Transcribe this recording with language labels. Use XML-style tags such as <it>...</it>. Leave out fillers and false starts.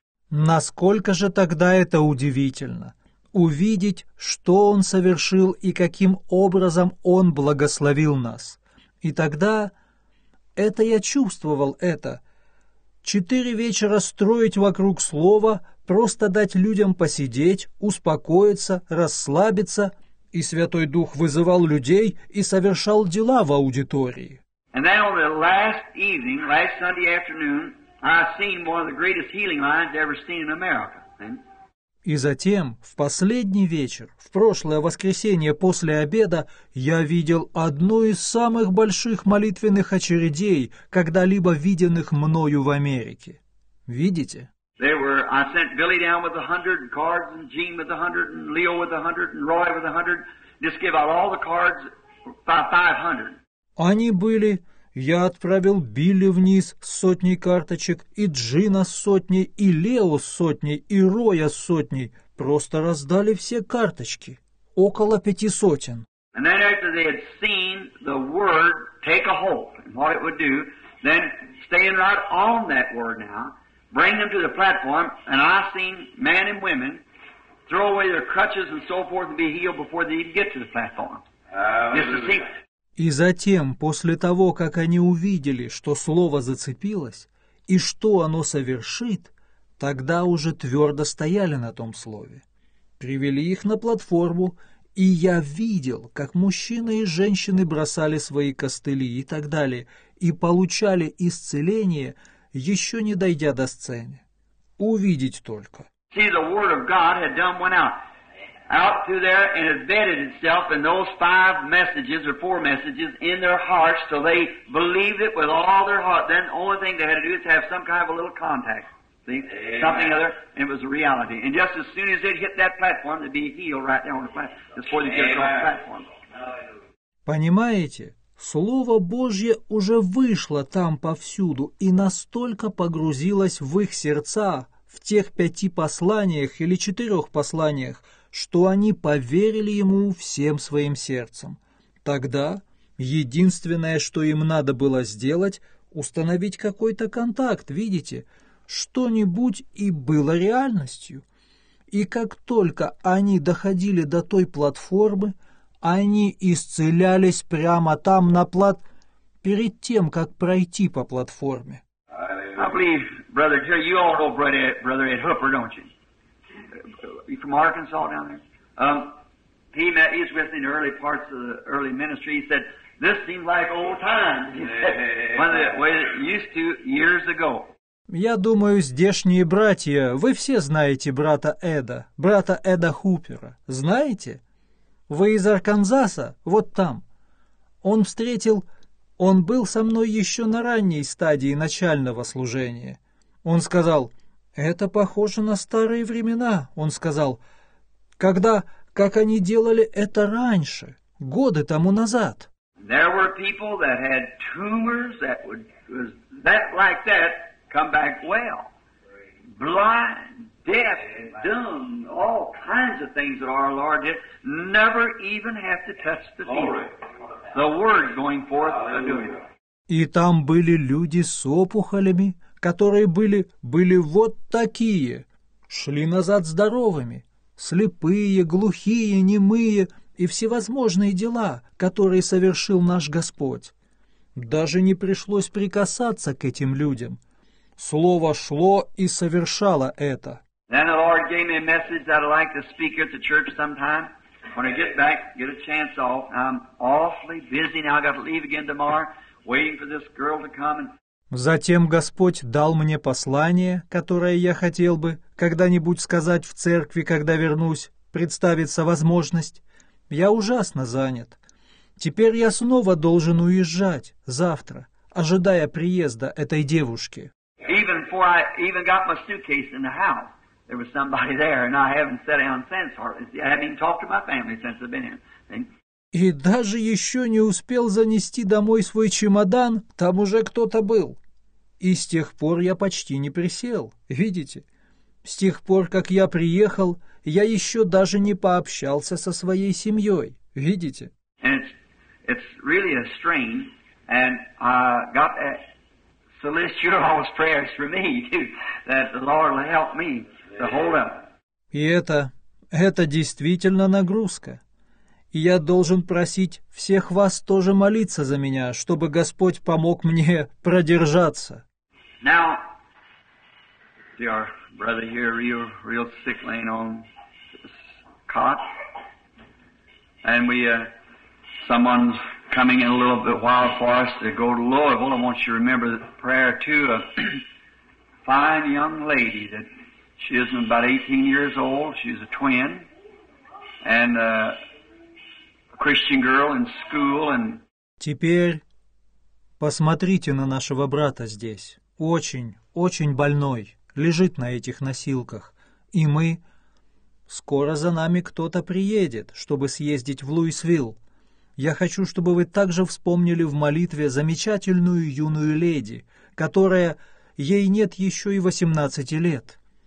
<ru>Насколько же тогда это удивительно увидеть, что он совершил и каким образом он благословил нас. И тогда... Это я чувствовал, это. 4 вечера строить вокруг слова, просто дать людям посидеть, успокоиться, расслабиться. И Святой Дух вызывал людей и совершал дела в аудитории.</ru> <en>And then on the last evening, last Sunday afternoon, I seen one of the greatest healing lines ever seen in America.</en> <ru>И затем, в последний вечер, в прошлое воскресенье после обеда, я видел одну из самых больших молитвенных очередей, когда-либо виденных мною в Америке. Видите?</ru> <en>I sent Billy down with 100, and cards, and Gene with 100, and Leo with 100, and Roy with 100, just give out all the cards, 500.</en> <ru>Они были, Я отправил Билли вниз с сотней карточек, и Джина с сотней, и Лео с сотней, и Роя с сотней. Просто раздали все карточки. Около 500.</ru> <en>And then after they had seen the word take a hold and what it would do, then staying right on that word now, bring them to the platform, and I've seen men and women throw away their crutches and so forth and be healed before they even get to the platform. Just to see.</en> <ru>И затем, после того, как они увидели, что слово зацепилось и что оно совершит, тогда уже твердо стояли на том слове. Привели их на платформу, и я видел, как мужчины и женщины бросали свои костыли и так далее, и получали исцеление, еще не дойдя до сцены. Увидеть только.</ru> <en>See, the word of God had done went out. Out through there and embedded itself in those five messages or four messages in their hearts so they believed it with all their heart. Then the only thing they had to do is have some kind of a little contact. See? Amen. Something other. And it was a reality. And just as soon as they'd hit that platform, they'd be healed right there on the platform. Just before they get on the platform.</en> <ru>Понимаете? Слово Божье уже вышло там повсюду и настолько погрузилось в их сердца, в тех пяти посланиях или четырех посланиях, что они поверили ему всем своим сердцем. Тогда единственное, что им надо было сделать, установить какой-то контакт, видите, что-нибудь и было реальностью. И как только они доходили до той платформы, они исцелялись прямо там на перед тем, как пройти по платформе.</ru> <en>I believe, brother, you all know brother Ed Hooper, don't you? You from Arkansas down there? He's with me in the early parts of the early ministry. He said, this seems like old times. One of the way it used to years ago.</en> <ru>Я думаю, здешние братья, вы все знаете брата Эда Хупера. Знаете? Вы из Арканзаса? Вот там. Он был со мной еще на ранней стадии начального служения. Он сказал, это похоже на старые времена. Он сказал, когда, как они делали это раньше, годы тому назад.</ru> <en>There were people that had tumors that would, was that like that, come back well. Blind. Deaf, dumb, all kinds of things that our Lord did, never even have to touch the people. The word going forth and doing.</en> <ru>И там были люди с опухолями, которые были вот такие, шли назад здоровыми, слепые, глухие, немые и всевозможные дела, которые совершил наш Господь. Даже не пришлось прикасаться к этим людям. Слово шло и совершало это.</ru> <en>Then the Lord gave me a message that I'd like to speak at the church sometime. When I get back, get a chance off. I'm awfully busy now. I got to leave again tomorrow, waiting for this girl to come.</en> <ru>Затем Господь дал мне послание, которое я хотел бы когда-нибудь сказать в церкви, когда вернусь, представится возможность. Я ужасно занят. Теперь я снова должен уезжать завтра, ожидая приезда этой девушки.</ru> <en>Even before I even got my suitcase in the house. There was somebody there, and I haven't sat down since. Hardly. I haven't even talked to my family since I've been here.</en> <ru>И даже еще не успел занести домой свой чемодан, там уже кто-то был. И с тех пор я почти не присел, видите? С тех пор, как я приехал, я еще даже не пообщался со своей семьей, видите?</ru> <en>And it's really a strain, and I got to solicit your all's prayers for me, too, that the Lord will help me.</en> <ru>И это действительно нагрузка. И я должен просить всех вас тоже молиться за меня, чтобы Господь помог мне продержаться.</ru> <en>Now, dear brother here, real sick, laying on this cot, and someone's coming in a little bit while for us to go to Louisville. I want you to remember the prayer too, a fine young lady that. She is about 18 years old. She's a twin and a Christian girl in school. And</en> <ru>теперь посмотрите на нашего брата здесь. Очень больной, лежит на этих носилках. И мы скоро за нами кто-то приедет, чтобы съездить в Луисвилл. Я хочу, чтобы вы также вспомнили в молитве замечательную юную леди, которая, ей нет еще и 18 лет.</ru>